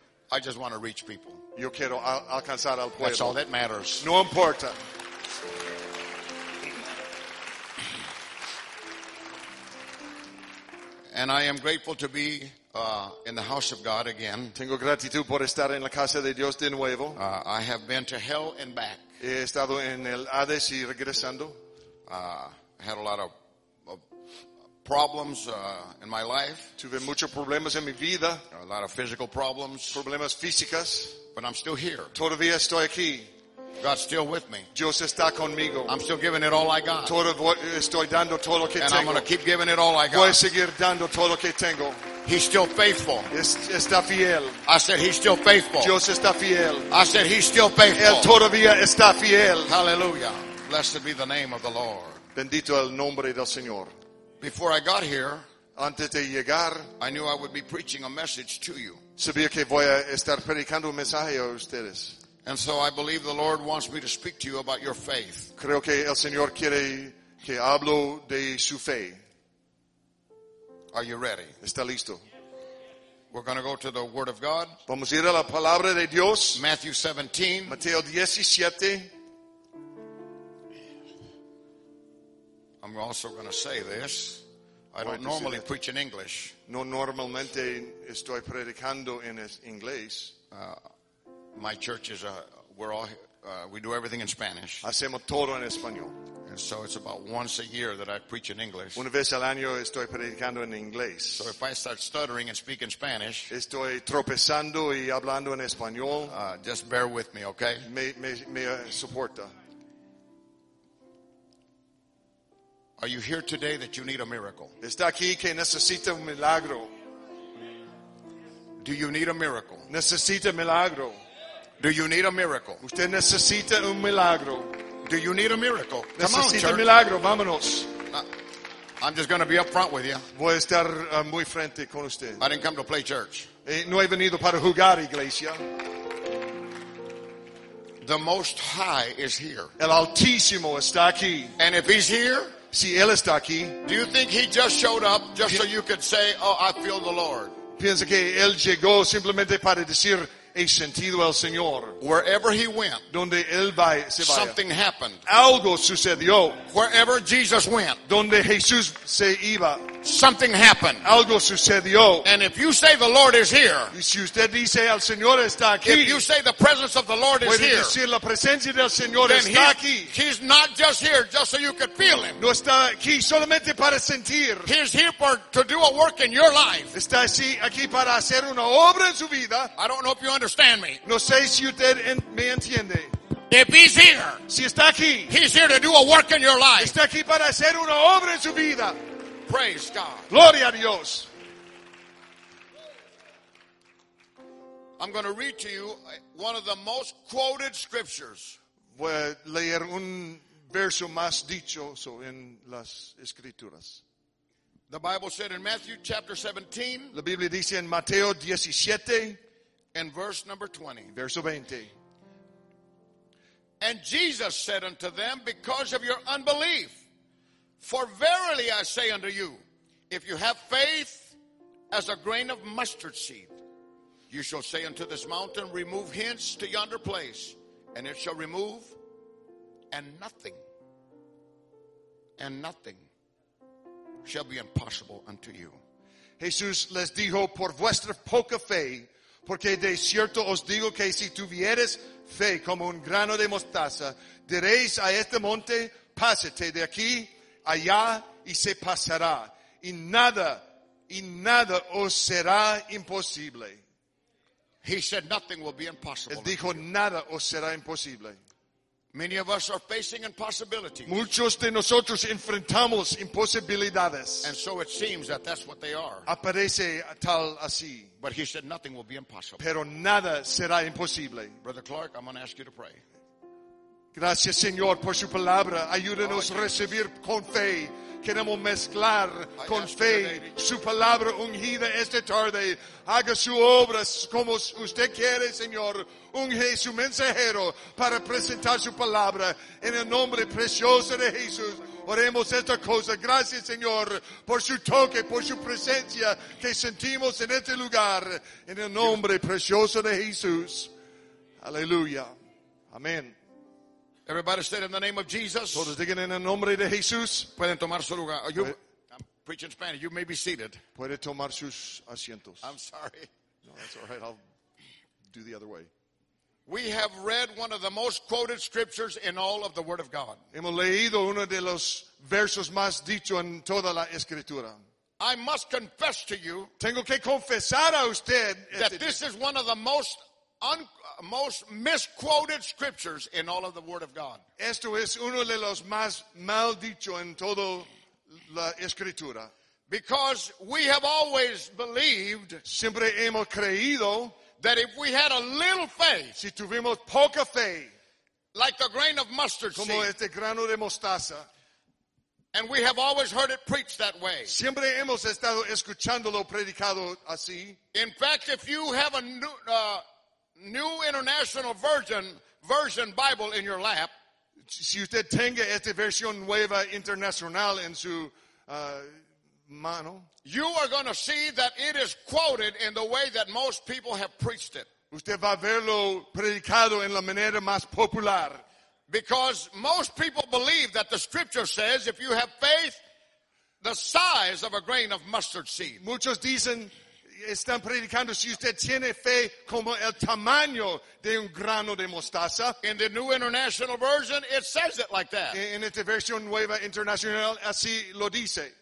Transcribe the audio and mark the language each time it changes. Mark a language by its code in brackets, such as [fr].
[en] I just want to reach people. [es] Yo quiero alcanzar al pueblo. [en] That's all that matters. [es] No importa. [en] And I am grateful to be in the house of God again. [es] Tengo gratitud por estar en la casa de Dios de nuevo. [en] I have been to hell and back. [es] He estado en el Hades y regresando. [en] I had a lot of problems in my life. [es] Tuve muchos problemas en mi vida. [en] A lot of physical problems. [es] Problemas físicas. [en] But I'm still here. [es] Todavía estoy aquí. [en] God's still with me. [es] Dios está conmigo. [en] I'm still giving it all I got. [es] Estoy dando todo lo que [en] and [es] tengo. [en] I'm going to keep giving it all I got. [es] Voy a seguir dando todo lo que tengo. [en] He's still faithful. [es] Está fiel. [en] I said he's still faithful. [es] Dios está fiel. [en] I said he's still faithful. [es] Él todavía está fiel. [en] Hallelujah. Blessed be the name of the Lord. [es] Bendito el nombre del Señor. [en] Before I got here, [es] antes de llegar, [en] I knew I would be preaching a message to you. [es] Sabía que voy a estar predicando un mensaje a ustedes. [en] And so I believe the Lord wants me to speak to you about your faith. [es] Creo que el Señor quiere que hablo de su fe. [en] Are you ready? [es] ¿Está listo? [en] We're going to go to the Word of God. [es] Vamos a ir a la palabra de Dios. [en] Matthew 17. [es] Mateo 17. [en] I'm also going to say this. I don't normally preach in English. [es] No, normalmente estoy predicando en inglés. [en] My church is we do everything in Spanish. [es] Hacemos todo en español. [en] And so it's about once a year that I preach in English. [es] Una vez al año estoy predicando en inglés. [en] So if I start stuttering and speak in Spanish, [es] estoy tropezando y hablando en español. [en] Just bear with me, okay? [es] Me soporta. [en] Are you here today that you need a miracle? [es] Está aquí que necesita un milagro. [en] Do you need a miracle? [es] Necesita milagro. [en] Do you need a miracle? [es] Usted necesita un milagro. [en] Do you need a miracle? [es] Necesita un milagro. Vámonos. [en] I'm just going to be up front with you. [es] Voy a estar muy frente con usted. [en] I didn't come to play church. [es] No he venido para jugar iglesia. [en] The Most High is here. [es] El Altísimo está aquí. [en] And if he's here, [es] si él está aquí, [en] do you think he just showed up just so you could say, oh, I feel the Lord? [es] Piensa que él llegó simplemente para decir, he sentido al Señor. [en] Wherever he went, [es] donde él vaya, se vaya, [en] something happened. [es] Algo sucedió. [en] Wherever Jesus went, [es] donde Jesús se iba, [en] something happened. [es] Algo sucedió. [en] And if you say the Lord is here, [es] si usted dice el Señor está aquí, [en] if you say the presence of the Lord is here, [es] decir, la presencia del Señor [en] then [es] está aquí. [en] He's not just here just so you could feel him. [es] No está aquí solamente para sentir. [en] He's here to do a work in your life. [es] Está aquí para hacer una obra en su vida. [en] I don't know if you understand me. [es] No sé si usted me entiende. [en] If he's here, [es] si está aquí, [en] he's here to do a work in your life. [es] Está aquí para hacer una obra en su vida. [en] Praise God. [es] Gloria a Dios. [en] I'm going to read to you one of the most quoted scriptures. [es] Voy a leer un verso más dicho en las escrituras. [en] The Bible said in Matthew chapter 17. [es] La Biblia dice en Mateo 17. [en] And verse number 20. [es] Verso 20. [en] And Jesus said unto them, because of your unbelief, for verily I say unto you, if you have faith as a grain of mustard seed, you shall say unto this mountain, remove hence to yonder place, and it shall remove, and nothing shall be impossible unto you. [es] Jesús les dijo, por vuestra poca fe, porque de cierto os digo que si tuvieres fe como un grano de mostaza, diréis a este monte, pásate de aquí allá, y se pasará, y nada os será imposible. [en] He said nothing will be impossible. [es] Él dijo, nada os será imposible. [en] Many of us are facing impossibilities. [es] Muchos de nosotros enfrentamos imposibilidades. [en] And so it seems that that's what they are. [es] Aparece tal así. [en] But he said nothing will be impossible. [es] Pero nada será imposible. [en] Brother Clark, I'm going to ask you to pray. [es] Gracias, Señor, por su palabra. Ayúdanos a recibir con fe. Queremos mezclar con fe su palabra ungida esta tarde. Haga su obra como usted quiere, Señor. Unge su mensajero para presentar su palabra. En el nombre precioso de Jesús, oremos esta cosa. Gracias, Señor, por su toque, por su presencia que sentimos en este lugar. En el nombre precioso de Jesús. Aleluya. Amén. [en] Everybody said in the name of Jesus. [es] Todos digan en el nombre de Jesús. Pueden tomar su lugar. [en] You, I'm preaching Spanish. You may be seated. [es] Puede tomar sus asientos. [en] I'm sorry. No, that's all right. I'll do the other way. We have read one of the most quoted scriptures in all of the Word of God. [es] Hemos leído uno de los versos más dicho en toda la Escritura. [en] I must confess to you. [es] Tengo que confesar a usted. [en] That this is one of the most most misquoted scriptures in all of the Word of God. [es] Esto es uno de los más mal dicho en toda la Escritura. [en] Because we have always believed. [es] Siempre hemos creído. [en] That if we had a little faith. [es] Si tuvimos poca fe. [en] Like a grain of mustard [es] como [en] seed. [es] Como este grano de mostaza. [en] And we have always heard it preached that way. [es] Siempre hemos estado escuchándolo predicado así. [en] In fact, if you have a New International Version Bible in your lap. [es] Si usted tenga esta versión nueva internacional en su mano. [en] You are going to see that it is quoted in the way that most people have preached it. [es] Usted va a verlo predicado en la manera más popular. [en] Because most people believe that the scripture says if you have faith the size of a grain of mustard seed. [es] Muchos dicen, están predicando, si usted tiene fe como el tamaño de un grano de mostaza. [en] In the New International Version, it says it like that. [es] En esta versión nueva internacional, así lo dice.